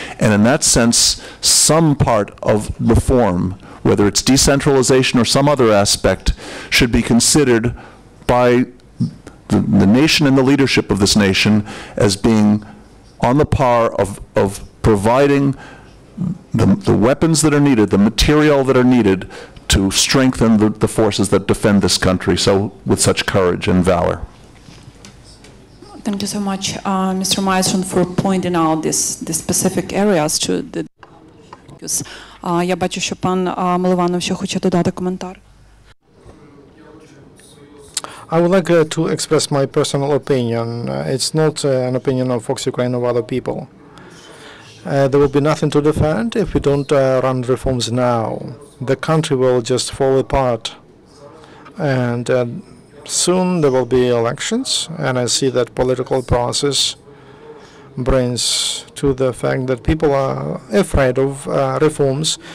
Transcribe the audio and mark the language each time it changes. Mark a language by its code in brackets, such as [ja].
[en] And in that sense, some part of reform, whether it's decentralization or some other aspect, should be considered by the nation and the leadership of this nation as being on the par of providing the weapons that are needed, the material that are needed to strengthen the forces that defend this country so with such courage and valor. Thank you so much, Mr. Myerson, for pointing out this specific areas to the. [uk] Я бачу, що пан Мілованов ще хоче додати коментар. [en] I would like to express my personal opinion. It's not an opinion of VoxUkraine or other people. There will be nothing to defend if we don't run reforms now. The country will just fall apart. And soon there will be elections, and I see that political process brings to the fact that people are afraid of reforms.